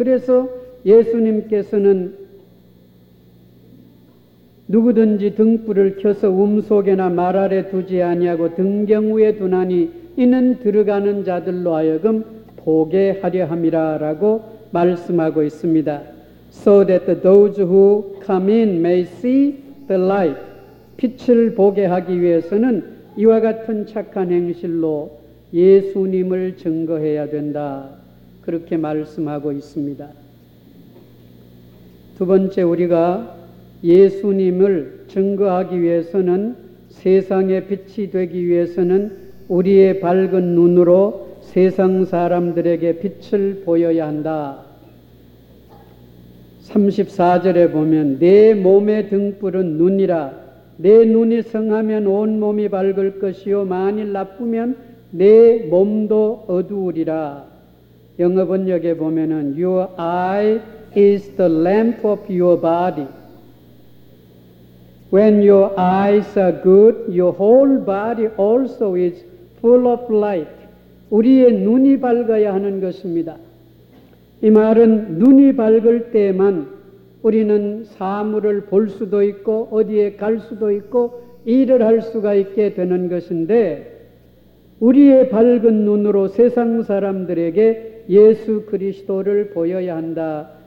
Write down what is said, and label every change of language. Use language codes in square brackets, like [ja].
[ko] 그래서 예수님께서는 누구든지 등불을 켜서 움속에나 말 아래 두지 아니하고 등경 위에 두나니 이는 들어가는 자들로 하여금 보게 하려 함이라 라고 말씀하고 있습니다. [en] So that those who come in may see the light. [ko] 빛을 보게 하기 위해서는 이와 같은 착한 행실로 예수님을 증거해야 된다. 그렇게 말씀하고 있습니다. 두 번째, 우리가 예수님을 증거하기 위해서는, 세상의 빛이 되기 위해서는 우리의 밝은 눈으로 세상 사람들에게 빛을 보여야 한다. 34절에 보면 내 몸의 등불은 눈이라. 내 눈이 성하면 온 몸이 밝을 것이요 만일 나쁘면 내 몸도 어두우리라. 영어 번역에 보면은 [en] Your eye is the lamp of your body. When your eyes are good, your whole body also is full of light. [ko] 우리의 눈이 밝아야 하는 것입니다. 이 말은 눈이 밝을 때만 우리는 사물을 볼 수도 있고 어디에 갈 수도 있고 일을 할 수가 있게 되는 것인데 우리의 밝은 눈으로 세상 사람들에게 예수 그리스도를 보여야 한다.